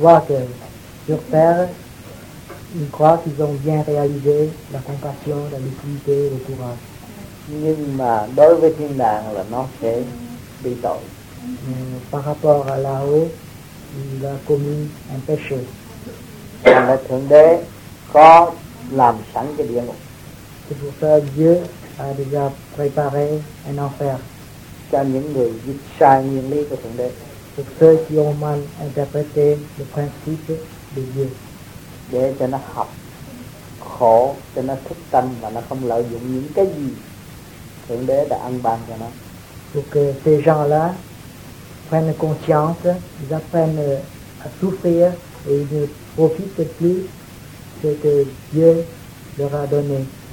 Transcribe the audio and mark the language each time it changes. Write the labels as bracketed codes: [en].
[fr] voit que sur terre, ils croient qu'ils ont bien réalisé la compassion, la lucidité, le courage. [vi] Nhưng mà đối với thiên đàng là nó sẽ bị tội. [fr] Par rapport à là-haut, il a commis un péché. [vi] Là Thượng Đế có làm sẵn cái địa ngục. [fr] C'est pour ça Dieu a déjà préparé un enfer. [vi] Cho những người dịch sai nguyên lý của Thượng Đế. [fr] Pour ceux qui ont mal interprété le principe de Dieu. [vi] Để cho nó học khổ, cho nó thức tâm và nó không lợi dụng những cái gì Thượng Đế đã ăn ban cho nó. [fr] Pour que ces gens-là prennent conscience, ils apprennent à souffrir et ils ne profitent plus ce que Dieu leur a donné.